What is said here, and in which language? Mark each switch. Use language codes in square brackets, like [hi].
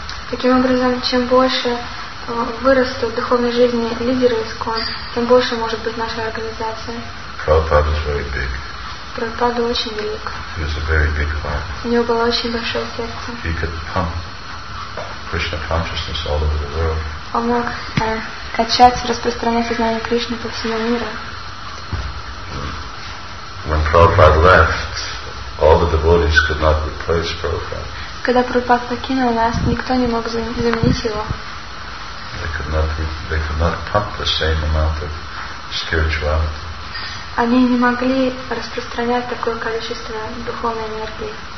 [ru] Таким образом, чем больше вырастут в духовной жизни лидеры ISKCON, тем больше может быть наша организация. [en] Prabhupada is very big. [ru] Прабхупада очень велик. [en] He was a very big heart. [ru] У него было очень большое сердце. [en] He could pump Krishna consciousness all over the world. [ru] Он мог качать, распространять сознание Кришны по всему миру. [en] When Prabhupada left, all the devotees could not replace Prabhupada. [ru] Когда Прабхупад покинул нас, никто не мог заменить его. [en] They could not pump the same amount of spirituality. [ru] Они не могли распространять такое количество духовной энергии.